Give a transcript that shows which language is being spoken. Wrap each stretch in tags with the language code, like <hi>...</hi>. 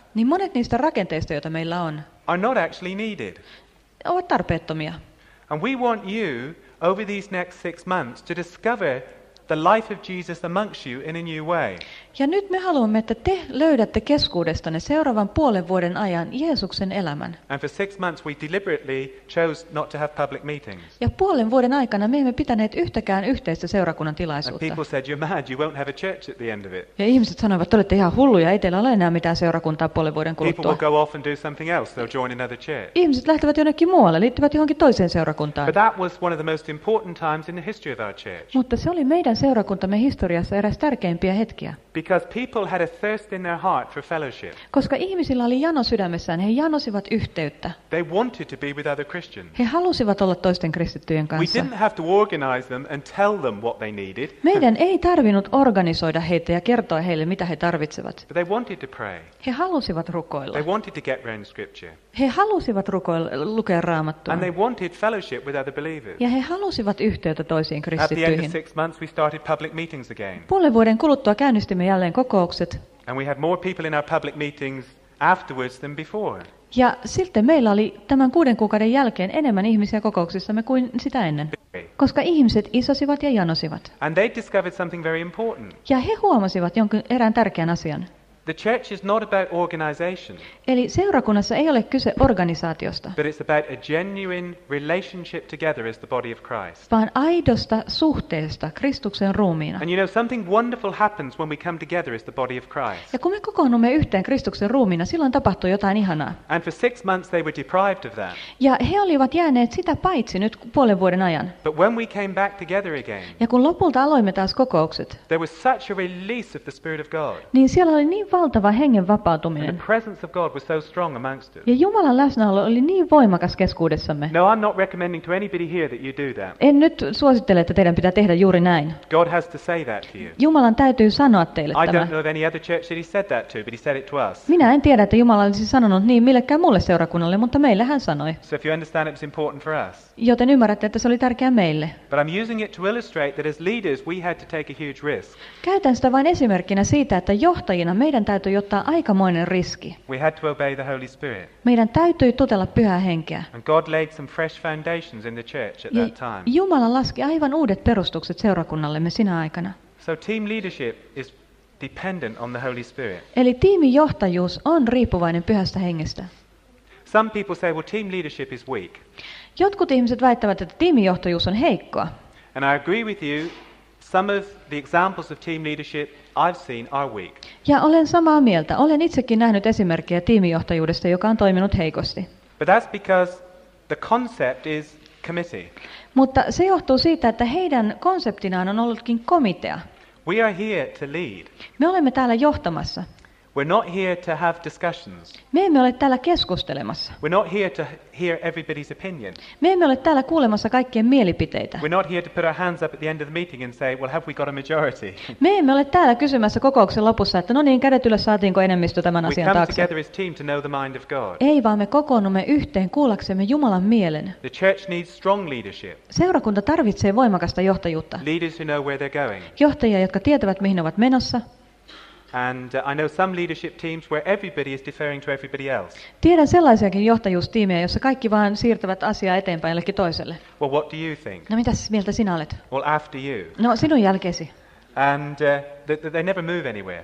<fi>niin monet niistä rakenteista, joita meillä on,</fi> <en>are not actually needed.</en> <fi>Ovat tarpeettomia.</fi> <en>And we want you over these next 6 months to discover the life of Jesus amongst you in a new way.</en> <fi>Ja nyt me haluamme, että te löydätte keskuudestanne seuraavan puolen vuoden ajan Jeesuksen elämän.</fi> <en>And for 6 months we deliberately chose not to have public meetings.</en> <fi>Ja puolen vuoden aikana me emme pitäneet yhtäkään yhteistä seurakunnan tilaisuutta.</fi> <en>And people said, you're mad, you won't have a church at the end of it.</en> <fi>Ja ihmiset sanoivat, että olette ihan hulluja, ei teillä ole enää mitään seurakuntaa puolen vuoden kuluttua.</fi> <en>People will go off and do something else, they'll join another church.</en> <fi>Ihmiset lähtevät jonnekin muualle, liittyvät johonkin toiseen seurakuntaan.</fi> <en>But that was one of the most important times in the history of our church.</en> <fi>Mutta se oli meidän seurakuntamme historiassa eräs tärkeimpiä hetkiä.</fi> <en>Because people had a thirst in their heart for fellowship.</en> <fi>Koska ihmisillä oli jano sydämessään, he janosivat yhteyttä.</fi> <en>They wanted to be with other Christians.</en> <fi>He halusivat olla toisten kristittyjen kanssa.</fi> <en>We didn't have to organize them and tell them what they needed.</en> <fi>Meidän ei tarvinnut organisoida heitä ja kertoa heille, mitä he tarvitsevat.</fi> <en>But they wanted to pray.</en> <fi>He halusivat rukoilla.</fi> <en>They wanted to get around scripture.</en> <fi>He halusivat lukea Raamattua.</fi> <en>And they wanted fellowship with other believers.</en> <fi>Ja he halusivat yhteyttä toisiin kristittyihin.</fi> <en>At the end of 6 months we started public meetings again.</en> <fi>Puolen vuoden kuluttua käynnistimme jälleen kokoukset.</fi> <en>And we had more people in our public meetings afterwards than before.</en> <fi>Ja sitten meillä oli tämän 6 kuukauden jälkeen enemmän ihmisiä kokouksissamme kuin sitä ennen, koska ihmiset isosivat ja janosivat.</fi> <en>And they discovered something very important.</en> <fi>Ja he huomasivat jonkun erään tärkeän asian.</fi> <en>The church is not about organization.</en> <fi>Eli seurakunnassa ei ole kyse organisaatiosta.</fi> <en>But it's about a genuine relationship together as the body of Christ.</en> <fi>Vaan aidosta suhteesta Kristuksen ruumiina.</fi> <en>And you know something wonderful happens when we come together as the body of Christ.</en> <fi>Ja kun me kokoonnumme yhteen Kristuksen ruumiina, silloin tapahtuu jotain ihanaa.</fi> <en>And for 6 months they were deprived of that.</en> <fi>Ja he olivat jääneet sitä paitsi nyt puolen vuoden ajan.</fi> <en>But when we came back together again.</en> <fi>Ja kun lopulta aloimme taas kokoukset.</fi> <en>There was such a release of the Spirit of God.</en> <fi>Niin siellä oli niin valtava hengen vapautuminen.</fi> <en>And the presence of God was so strong amongst us.</en> <fi>Ja Jumalan läsnäolo oli niin voimakas keskuudessamme.</fi> <en>No, I'm not recommending to anybody here that you do that.</en> <fi>En nyt suosittele, että teidän pitää tehdä juuri näin.</fi> <en>God has to say that to you.</en> <fi>Jumalan täytyy sanoa teille tämä.</fi> <en>I don't know of any other church that he said that to, but he said it to us.</en> <fi>Minä en tiedä, että Jumala olisi sanonut niin millekään muulle seurakunnalle, mutta meille hän sanoi.</fi> <en>So if you understand, it's important for us.</en> <fi>Joten ymmärrätte, että se oli tärkeää meille.</fi> <en>But I'm using it to illustrate that as leaders we had to take a huge risk.</en> <fi>Käytän sitä vain esimerkkinä siitä, että johtajina meidän täytyy ottaa aikamoinen riski.</fi> <en>We had to obey the Holy Spirit.</en> <fi>Meidän täytyy totella Pyhää Henkeä.</fi> <en>And God laid some fresh foundations in the church at that time.</en> <fi>Jumala laski aivan uudet perustukset seurakunnallemme sinä aikana.</fi> <en>So team leadership is dependent on the Holy Spirit.</en> <fi>Eli tiimin johtajuus on riippuvainen Pyhästä Hengestä.</fi> <en>Some people say, well, team leadership is weak.</en> <fi>Jotkut ihmiset väittävät, että tiimijohtajuus on heikkoa.</fi> <en>And I agree with you. Some of the examples of team leadership I've seen are weak.</en> <fi>Ja olen samaa mieltä. Olen itsekin nähnyt esimerkkejä tiimijohtajuudesta, joka on toiminut heikosti.</fi> <en>But that's because the concept is committee.</en> <fi>Mutta se johtuu siitä, että heidän konseptinaan on ollutkin komitea.</fi> <en>We are here to lead.</en> <fi>Me olemme täällä johtamassa.</fi> <en>We're not here to have discussions.</en> <fi>Me emme ole täällä keskustelemassa.</fi> <en>We're not here to hear everybody's opinion.</en> <fi>Me emme ole täällä kuulemassa kaikkien mielipiteitä.</fi> <en>We're not here to put our hands up at the end of the meeting and say, well, have we got a majority?</en> <fi>Me emme ole täällä kysymässä kokouksen lopussa, että no niin, kädet ylös, saatiinko enemmistö tämän asian taakse.</fi> <en>We come together as team to know the mind of God.</en> <fi>Ei, vaan me kokoonnumme yhteen kuullaksemme Jumalan mielen.</fi> <en>The church needs strong leadership.</en> <fi>Seurakunta tarvitsee voimakasta johtajuutta.</fi> <en>Leaders who know where they're going.</en> <fi>Johtajia, jotka tietävät, mihin ovat menossa.</fi> <en>And I know some leadership teams where everybody is deferring to everybody else.</en> <fi>Tiedän sellaisiakin johtajuustiimejä, jossa kaikki vaan siirtävät asiaa eteenpäin jollekin toiselle.</fi> <en>Well, what do you think?</en> <fi>No, mitä mieltä sinä olet?</fi> <en>Well, after you.</en> <fi>No, sinun jälkeesi.</fi> <en>And they never move anywhere.</en>